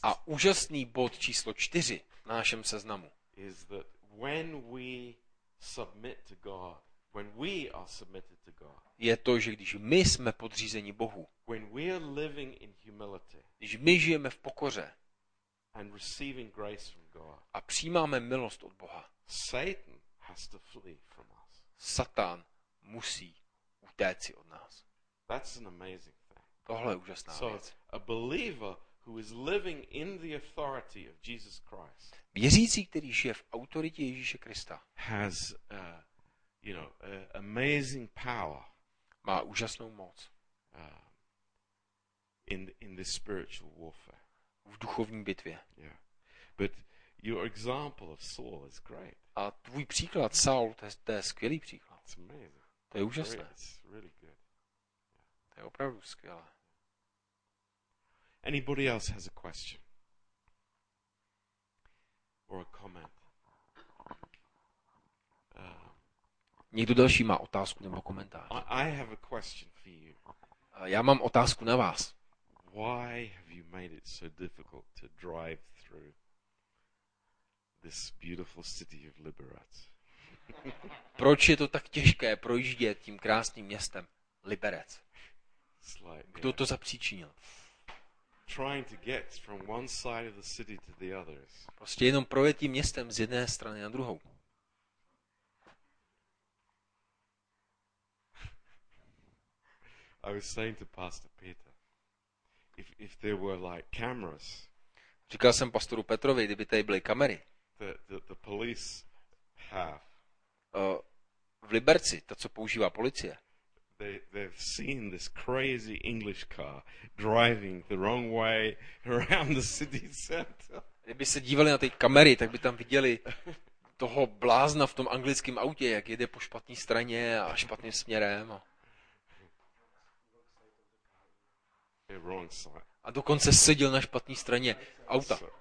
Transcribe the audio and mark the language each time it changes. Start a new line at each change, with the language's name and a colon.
Czech: A úžasný bod číslo 4 na našem seznamu.
English: Is that when we submit to God, when we are submitted to God.
Czech: Je to, že když my jsme podřízeni Bohu.
English: When we are living in humility.
Czech: Když my žijeme v pokoře
English: and receiving grace from God,
Czech: a přijímáme milost od Boha,
English: Satan has to flee from us.
Czech: Satan musí utéci od nás.
English: That's an amazing thing.
Czech: Tohle je úžasná věc.
English: A believer who is living in the authority of Jesus Christ.
Czech: Věřící, který žije v autoritě Ježíše Krista,
English: has you know, amazing power.
Czech: Má úžasnou moc.
English: In this spiritual warfare.
Czech: V duchovní bitvě.
English: Yeah. But your example of Saul is great.
Czech: A tvůj příklad Saul, to je skvělý příklad.
English: It's amazing.
Czech: To je úžasné.
English: It's really good.
Czech: Yeah. To je opravdu skvělé.
English: Anybody else has a question? Or a comment?
Czech: Někdo další má otázku nebo komentář?
English: I have a question for you.
Czech: Já mám otázku na vás.
English: Why have you made it so difficult to drive through this beautiful city of Liberec?
Czech: Proč je to tak těžké projíždět tím krásným městem Liberec? Kdo to zapříčinil?
English: Trying to get from one side of the city to the other.
Czech: Prostě jenom projet tím městem z jedné strany na druhou.
English: I was saying to Pastor Peter, if there were like cameras.
Czech: Říkal jsem pastoru Petrovi, kdyby tady byly kamery.
English: The police have.
Czech: V Liberci, to co používá policie.
English: They've seen this crazy English car driving the wrong way around the city center.
Czech: Kdyby se dívali na ty kamery, tak by tam viděli toho blázna v tom anglickém autě, jak jede po špatné straně a špatným směrem. A dokonce seděl na špatné straně auta.